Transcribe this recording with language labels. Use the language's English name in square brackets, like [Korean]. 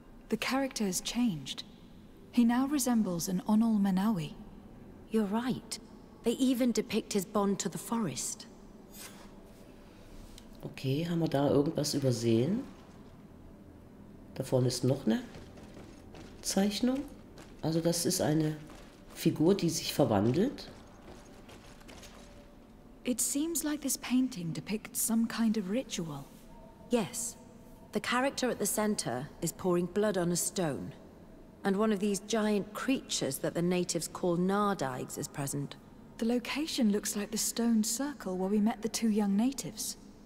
[English] The character has changed. He now resembles an Onol Menawi. You're right. They even depict his bond to the forest. [German] Okay, haben wir da irgendwas übersehen? Da vorne ist noch eine Zeichnung. Also das ist eine Figur, die sich verwandelt. [English] It seems like this painting depicts some kind of ritual. Yes. The character at the center is pouring blood on a stone. And one of these giant creatures that the natives call Nardigs is present. The location looks like the stone circle where we met the two young natives.